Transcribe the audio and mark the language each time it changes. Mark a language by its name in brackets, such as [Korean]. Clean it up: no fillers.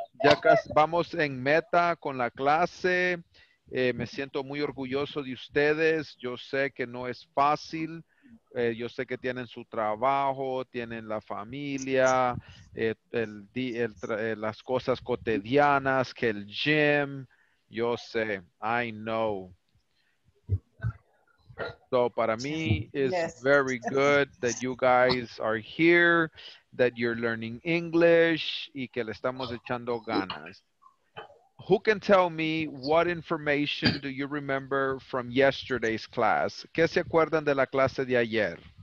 [Spanish] Ya casi vamos en meta con la clase. Me siento muy orgulloso de ustedes. Yo sé que no es fácil. Yo sé que tienen su trabajo, tienen la familia, las cosas cotidianas, que el gym. Yo sé. I know. [English] So, para mí, it's very good that you guys are here, that you're learning English, y que le estamos echando ganas. Who can tell me what information do you remember from yesterday's class? [Spanish] ¿Qué se acuerdan de la clase de ayer?